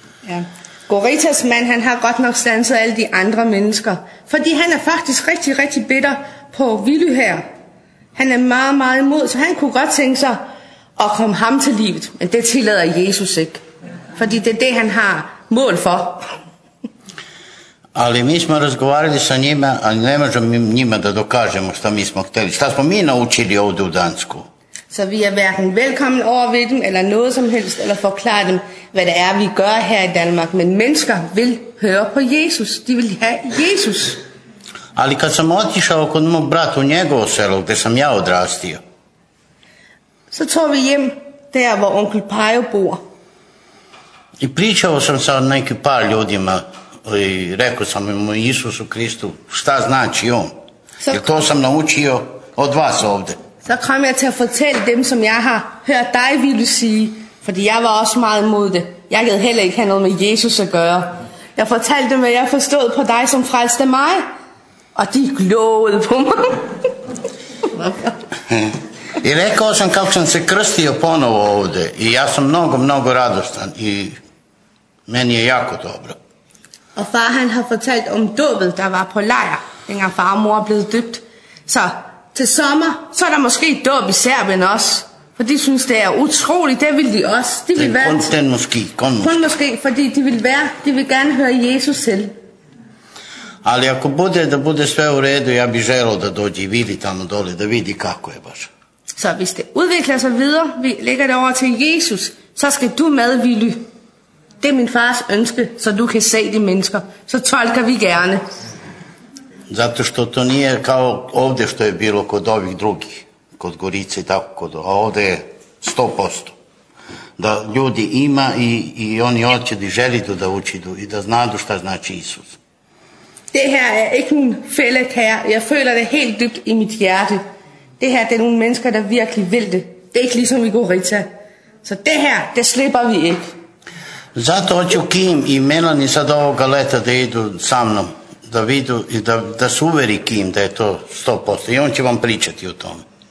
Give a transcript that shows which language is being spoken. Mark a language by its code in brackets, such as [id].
[da] Ja. Goritas mand, han har godt nok stanset alle de andre mennesker. Fordi han er faktisk rigtig, rigtig bitter på Vili her. Han er meget, meget imod, så han kunne godt tænke sig at komme ham til livet. Men det tillader Jesus ikke. Fordi det er det, han har mål for. [sr] Ali mi smo razgovarali sa njima, ali ne možemo njima da dokažemo šta mi smo hteli. Šta smo mi naučili ovde u Dansku? [da] Så vi er hverken velkommen over ved dem, eller noget som helst, eller forklare dem, hvad det er, vi gør her i Danmark. Men mennesker vil høre på Jesus. De vil have Jesus. [sr] Ali kad sam otišao kod mog brata u njegovo selo, gde sam ja odrastio. [da] Så tog vi hjem der, hvor onkel Pajo bor. [sr] I pričao sam sa neki par ljudima i rekao sam im o Isusu Kristu, šta znači on. Jer to sam naučio od vas ovde. [da] Så kom jeg til at fortælle dem, som jeg har hørt dig ville sige, fordi jeg var også meget imod det. Jeg gad heller ikke have noget med Jesus at gøre. Jeg fortalte dem, hvad jeg forstod på dig, som frelste mig. Og de glåede på mig. [sr] I rekao sam kako sam se krstio ponovo ovdje i ja sam mnogo, mnogo radostan i meni je jako dobro. [da] Og far han har fortalt om dåbet, der var på lejr, dengang far og mor er blevet døbt. Så til sommer, så er der måske dåb i Serbien også. For de synes, det er utroligt, det vil de også. De vil være, den måske, kun måske. Kun måske, fordi de vil være, de vil gerne høre Jesus selv. [sr] Ali ako bude, da bude sve u redu, ja bi želo da dođe i vidi tamo dole, da vidi kako je baš. [da] Så hvis det udvikler sig videre, vi lægger det over til Jesus, så skal du med, Willy. Det er min fars ønske, så du kan se de mennesker. Så tolker vi gerne. [sr] Zato što to nije kao ovdje što je bilo kod ovih drugih, kod Gorice i tako, kod, a ovdje je 100%. Da ljudi ima i oni hoće da želi da uči i da znadu šta znači Isus. [da] Det her er ikke en fællet her. Jeg føler det helt dybt i mit hjerte. Det her, det er nogle mennesker, der virkelig vil det. Det er ikke ligesom i Gorica. Så det her, det slipper vi ikke. [sr] Zato hoću Kim i Melanie sad ovoga leta da idu sa mnom, da vidu i da se uveri Kim da je to 100%. I on će vam pričati o tome.